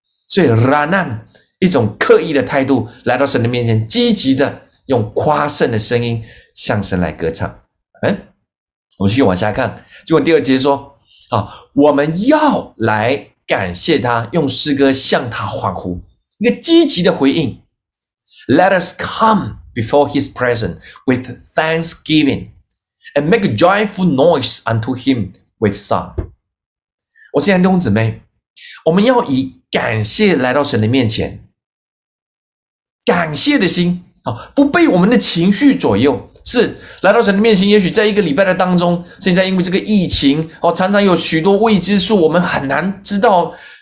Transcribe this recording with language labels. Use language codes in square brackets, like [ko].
[zh] 所以软难一种刻意的态度，来到神的面前，积极的用夸胜的声音向神来歌唱。我们继续往下看，结果第二节说我们要来感谢他，用诗歌向他欢呼，一个积极的回应。 [en] Let us come before his presence with thanksgiving and make a joyful noise unto him with song. [zh] 我亲爱的弟兄姊妹，我们要以感谢来到神的面前，感谢的心，不被我们的情绪左右。是来到神的面前，也许在一个礼拜的当中，现在因为这个疫情，常常有许多未知数，我们很难知道